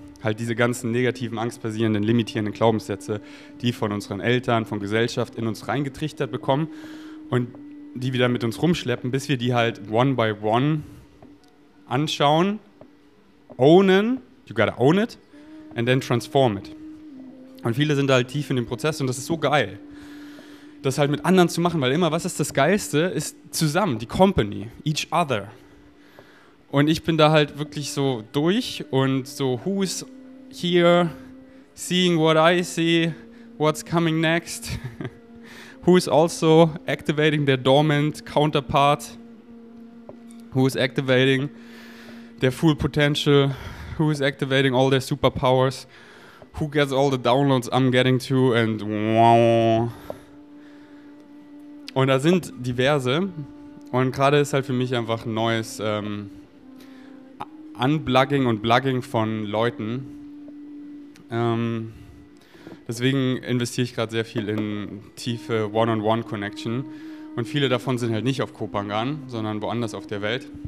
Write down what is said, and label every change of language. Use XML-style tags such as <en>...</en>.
<de>Halt diese ganzen negativen, angstbasierenden, limitierenden Glaubenssätze, die von unseren Eltern, von Gesellschaft in uns reingetrichtert bekommen und die wir dann mit uns rumschleppen, bis wir die halt</de> <en>one by one</en> <de>anschauen, ownen,</de> <en>you gotta own it, and then transform it.</en> <de>Und viele sind halt tief in dem Prozess und das ist so geil, das halt mit anderen zu machen, weil immer, was ist das Geilste, ist zusammen, die Company,</de> <en>each other.</en> <de>Und ich bin da halt wirklich so durch und so,</de> <en>who's here, seeing what I see, what's coming next, who's also activating their dormant counterpart, who's activating their full potential, who's activating all their superpowers, who gets all the downloads I'm getting to and wow.</en> <de>Und da sind diverse und gerade ist halt für mich einfach ein neues Unplugging und Plugging von Leuten. Deswegen investiere ich gerade sehr viel in tiefe One-on-One-Connection und viele davon sind halt nicht auf Koh Phangan, sondern woanders auf der Welt.</de>